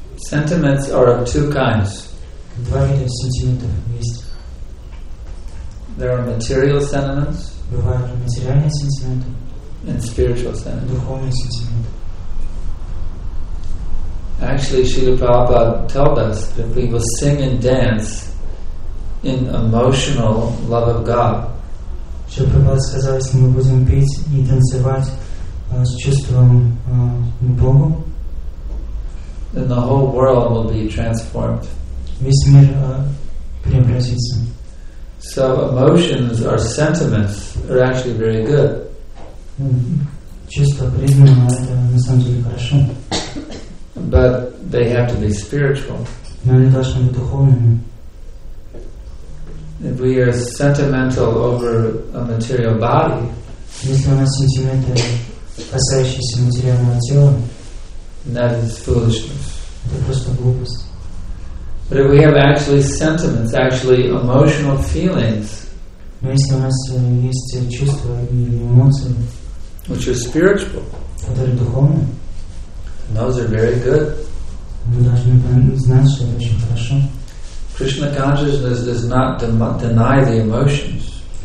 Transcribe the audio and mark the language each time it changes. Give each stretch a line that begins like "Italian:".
English: Sentiments are of two kinds.
Russian: Два вида сентиментов есть.
English: There are material sentiments.
Russian: Бывают материальные сентименты
English: and spiritual sentiments.
Russian: Духовные сентименты.
English: Actually, Srila Prabhupada told us that we will sing and dance in emotional love of God.
Russian: Srila Prabhupada сказал, если мы будем петь и танцевать с чувством Бога,
English: then the whole world will be transformed.
Russian: Весь мир преобразится.
English: So emotions or sentiments are actually very good.
Russian: Чувства, признанные, это на самом деле хорошо.
English: But they have to be spiritual.
Russian: Но они должны быть духовными.
English: If we are sentimental over a material body,
Russian: если у нас сентименты, касающиеся материального тела,
English: that is foolishness.
Russian: Это просто глупость.
English: But if we have actually sentiments, actually emotional feelings,
Russian: но если у нас есть чувства или эмоции,
English: which are spiritual,
Russian: которые духовные,
English: those are very good.
Russian: Мы должны знать, что это очень хорошо.
English: Krishna consciousness does not deny the emotions.